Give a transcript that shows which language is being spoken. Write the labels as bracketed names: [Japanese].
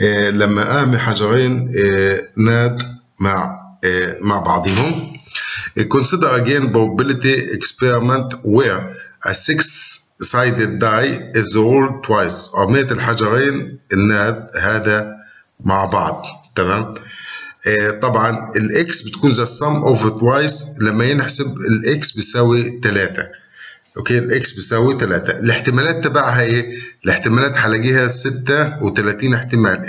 [Arabic] لما ارمي حجرين ناد مع بعضهم. [English] Consider again probability experiment where a six-sided die is rolled twice. [Arabic] ارميت الحجرين الناد هذا مع بعض، تمام؟ طبعا الاكس بتكون [English] the sum of twice. [Arabic] لما ينحسب الاكس بيساوي 3، اوكي الاكس بيساوي 3. الاحتمالات تبعها ايه؟ الاحتمالات حلاقيها 36 احتمال.